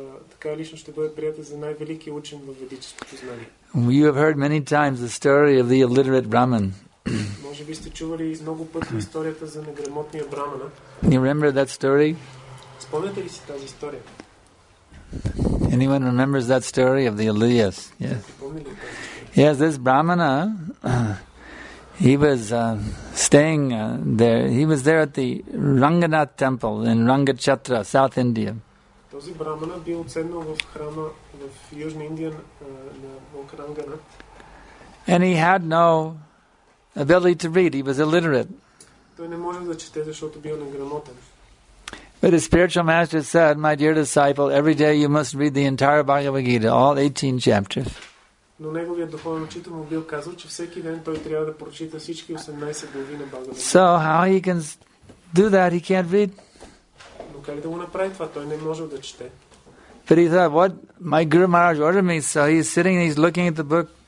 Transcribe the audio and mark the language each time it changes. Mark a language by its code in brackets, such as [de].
[bg] Така личност ще бъде приятел за най-великия учен в ведическото знание. [en] You have heard many times the story of the illiterate Brahman. [bg] Може би сте чували много пъти историята за неграмотния брамана. [en] You remember that story? [bg] Спомняте ли си тази история? [en] Anyone remembers that story of the Elias? Yes. Yes, this brahmana, he was staying there. He was there at the Ranganath temple in Rangachatra, South India. [bg] Този брамана бил отседнал в храма в Южна Индия на Ранганат. [en] And he had no ability to read, he was illiterate. [bg] Той не може да чете, защото бил неграмотен. [en] But his spiritual master said, my dear disciple, every day you must read the entire Bhagavad Gita, all 18 chapters. [bg] Но неговият духовен учител му бил казал, че всеки ден той трябва да прочита всички 18 глави на Бхагавад Гита. [en] So how he can do that, he can't read. [bg] Но как да го направи това? Той не може да чете. [en] But he thought, what? My Guru Maharaj ordered me, so he's sitting and he's looking at the book.